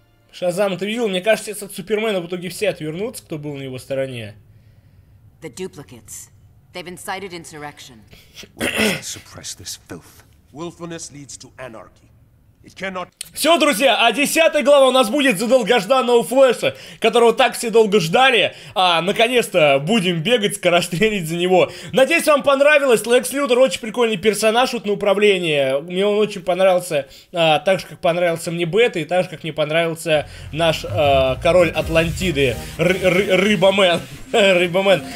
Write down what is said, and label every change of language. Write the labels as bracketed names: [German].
[Russian] Шазам, ты видел? Мне кажется, от Супермена в итоге все отвернутся, кто был на его стороне. [English] The duplicates. They've incited insurrection. Suppress this filth. Willfulness leads to anarchy. It cannot... [Russian] Все, друзья, а 10 глава у нас будет за долгожданного Флэша, которого так все долго ждали, а наконец-то будем бегать, скорострелить за него. Надеюсь, вам понравилось. Лекс Лютер очень прикольный персонаж вот на управление. Мне он очень понравился, так же, как понравился мне Бета, и так же, как мне понравился наш король Атлантиды, Рыбамен. Рыбамен.